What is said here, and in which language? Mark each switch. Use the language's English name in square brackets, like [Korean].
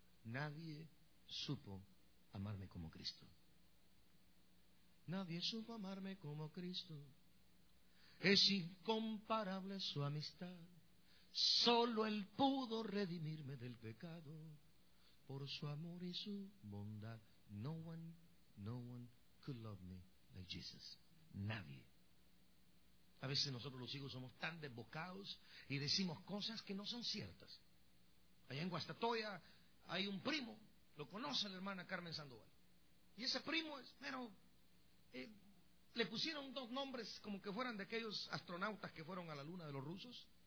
[Spanish] Nadie supo amarme como Cristo. Nadie supo amarme como Cristo. Es incomparable su amistad. Solo Él pudo redimirme del pecado por su amor y su bondad. [English] No one could love me like Jesus. [Spanish] Nadie. A veces nosotros los hijos somos tan desbocados y decimos cosas que no son ciertas. Allá en Guastatoya hay un primo, lo conoce la hermana Carmen Sandoval. Y ese primo es, pero le pusieron dos nombres como que fueran de aquellos astronautas que fueron a la luna de los rusos.